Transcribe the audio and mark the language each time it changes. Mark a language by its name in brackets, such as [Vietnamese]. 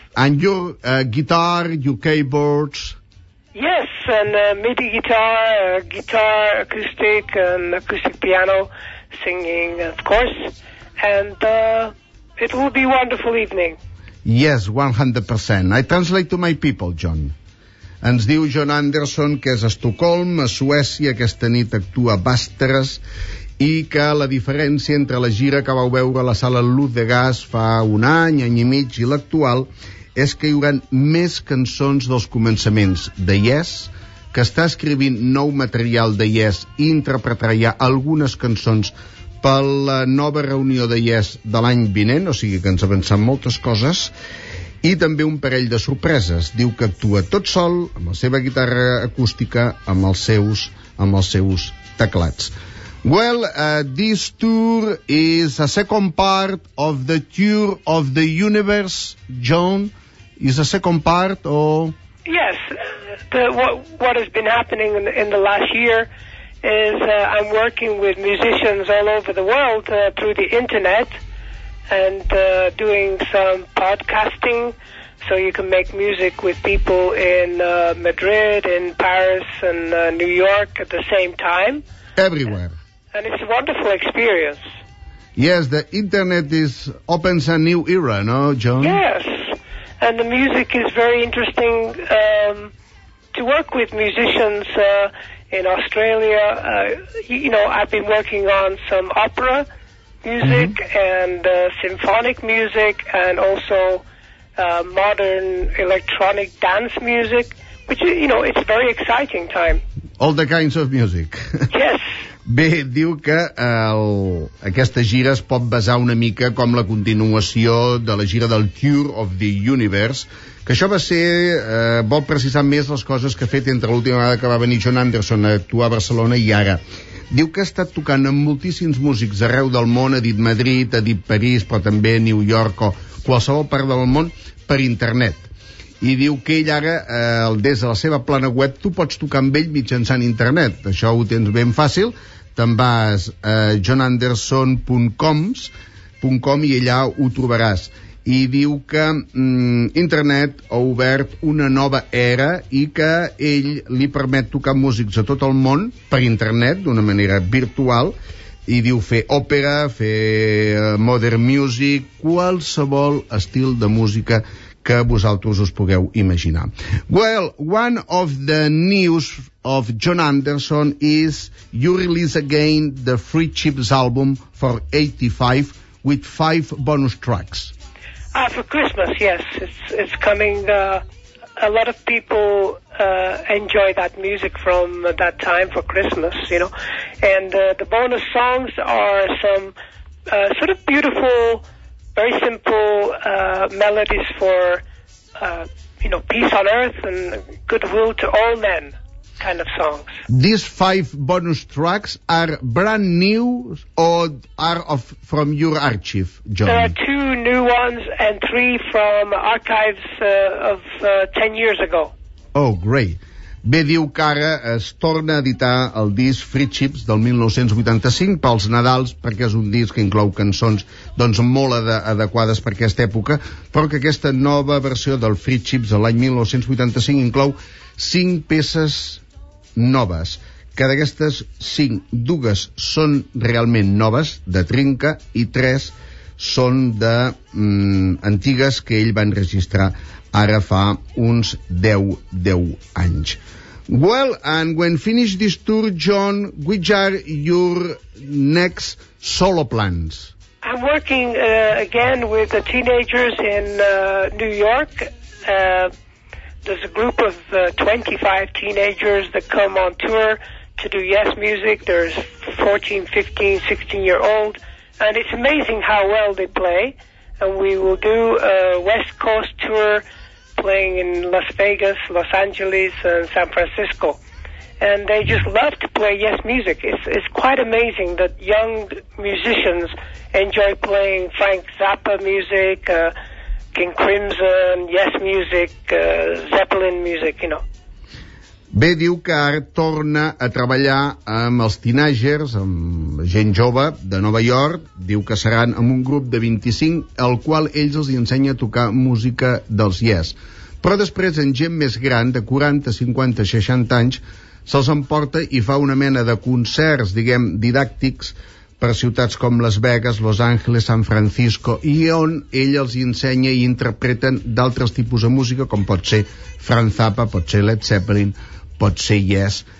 [English] And your guitar, your keyboards... Yes, and MIDI guitar, guitar, acoustic, and acoustic piano, singing, of course. And it will be a wonderful evening. Yes, 100%. I translate to my people, John. [Catalan] Ens diu John Anderson que és a Estocolm, a Suècia, aquesta nit actua a Bàsteres, i que la diferència entre la gira que vau veure a la sala Luz de Gas fa un any, any i mig, i l'actual... és que hi haurà més cançons dels començaments de Yes, que està escrivint nou material de Yes i interpretarà ja algunes cançons per la nova reunió de Yes de l'any vinent, o sigui que ens avancen moltes coses, i també un parell de sorpreses. Diu que actua tot sol, amb la seva guitarra acústica, amb els seus teclats. [English] Well, this tour is a second part of the tour of the universe, John. Is a second part, or...? Yes. What has been happening in the last year is I'm working with musicians all over the world through the internet and doing some podcasting, so you can make music with people in Madrid, in Paris, and New York at the same time. Everywhere. And it's a wonderful experience. Yes, the internet is opens a new era, no, John? Yes, and the music is very interesting to work with musicians in Australia. I've been working on some opera music and symphonic music and also modern electronic dance music, which, you know, it's a very exciting time. All the kinds of music. Yes. [Catalan] Bé, diu que aquesta gira es pot basar una mica com la continuació de la gira del Tour of the Universe, que això va ser, vol precisar més les coses que ha fet entre l'última vegada que va venir John Anderson a actuar a Barcelona i ara. Diu que ha estat tocant amb moltíssims músics arreu del món, ha dit Madrid, ha dit París, però també New York o qualsevol part del món, per internet. I diu que ell ara, des de la seva plana web, tu pots tocar amb ell mitjançant internet. Això ho tens ben fàcil. Te'n vas a johnanderson.com i allà ho trobaràs. I diu que internet ha obert una nova era i que ell li permet tocar músics a tot el món per internet, d'una manera virtual, i diu fer òpera, fer [English] modern music, [Catalan] qualsevol estil de música que vosaltres us pugueu imaginar. [English] Well, one of the news of John Anderson is you release again the Free Chips album for 85 with 5 bonus tracks. For Christmas, yes. It's coming. A lot of people enjoy that music from that time for Christmas, you know. And the bonus songs are some sort of beautiful, very simple melodies for, you know, peace on earth and goodwill to all men kind of songs. These 5 bonus tracks are brand new or are from your archive, John? There are 2 new ones and 3 from archives of 10 years ago. Oh, great. [Catalan] Bé, diu que ara es torna a editar el disc Free Chips del 1985 pels Nadals, perquè és un disc que inclou cançons doncs molt adequades per aquesta època, però que aquesta nova versió del Free Chips de l'any 1985 inclou 5 peces noves, que d'aquestes 5, 2 són realment noves, de trinca, i 3 són de antigues que ell va enregistrar ara fa uns 10 anys. [English] Well, and when finish this tour, John, which are your next solo plans? I'm working again with the teenagers in New York. There's a group of 25 teenagers that come on tour to do Yes music. There's 14, 15, 16-year-old. And it's amazing how well they play. And we will do a West Coast tour, playing in Las Vegas, Los Angeles, and San Francisco. And they just love to play Yes music. It's quite amazing that young musicians enjoy playing Frank Zappa music, King Crimson, Yes music, Zeppelin music, you know. [Catalan] Bé, diu que ara torna a treballar amb els teenagers, amb gent jove de Nova York. Diu que seran amb un grup de 25, el qual ells els ensenya a tocar música dels Yes. Però després, amb gent més gran, de 40, 50, 60 anys, se'ls emporta i fa una mena de concerts, diguem, didàctics, per ciutats com Las Vegas, Los Angeles, San Francisco, i on ell els ensenya i interpreten d'altres tipus de música, com pot ser Frank Zappa, pot ser Led Zeppelin, pot ser Yes.